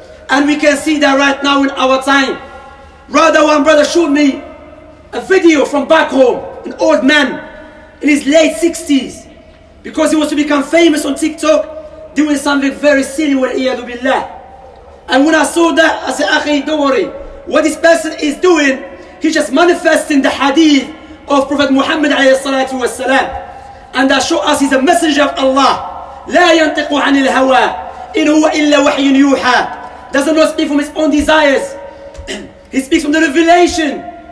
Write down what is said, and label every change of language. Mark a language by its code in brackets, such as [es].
[en] And we can see that right now in our time. Rather, one brother showed me a video from back home, an old man in his late 60s, because he was to become famous on TikTok, doing something very silly with Iyadu Billah. And when I saw that, I said, Akhi, don't worry. What this person is doing, he's just manifesting the hadith of Prophet Muhammad alayhi salatu wasalam. And that show us he's a messenger of Allah. [ar] لا ينطق عن الهوى إن هو إلا وحي يوحى. [en] Does not speak from his own desires. He speaks from the revelation.